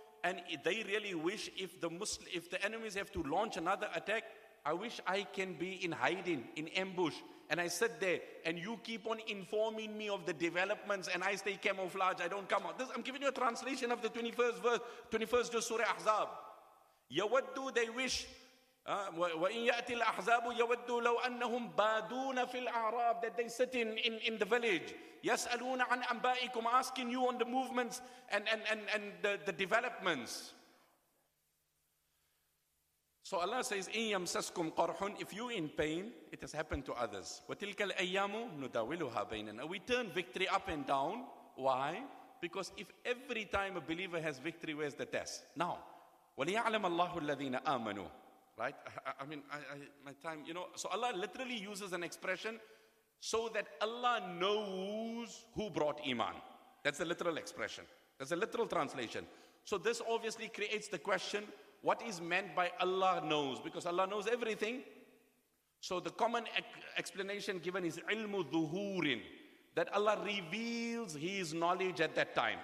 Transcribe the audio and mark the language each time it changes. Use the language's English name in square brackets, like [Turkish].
[English] And they really wish, if the enemies have to launch another attack, I wish I can be in hiding, in ambush, and I sit there, and you keep on informing me of the developments, and I stay camouflaged, I don't come out. I'm giving you a translation of the 21st verse, 21st verse, Surah Ahzab. [Arabic] يَوَدُّوا, [English] they wish, [Arabic] وَإِنْ يَأْتِ الْأَحْزَابُ يَوَدُّوا لَوْ أَنَّهُمْ بَادُونَ فِي الْأَعْرَابِ, [English] that they sit in the village. [Arabic] يَسْأَلُونَ عَنْ أَنْبَائِكُمْ, [English] asking you on the movements and the developments. So Allah says, [Arabic] إِنْ يَمْسَسْكُمْ قَرْحٌ, [English] if you in pain, it has happened to others. [Arabic] وَتِلْكَ الْأَيَّامُ نُدَاوِلُهَا بَيْنَنَا. [English] We turn victory up and down. Why? Because if every time a believer has victory, where's the test? Now, [Arabic] وَلِيَعْلَمَ اللَّهُ الَّذِينَ آمَنُوا. [English] Right? I mean, my time, so Allah literally uses an expression so that Allah knows who brought iman. That's a literal expression. That's a literal translation. So this obviously creates the question, what is meant by Allah knows? Because Allah knows everything. So the common explanation given is ilmu dhuhurin, that Allah reveals his knowledge at that time.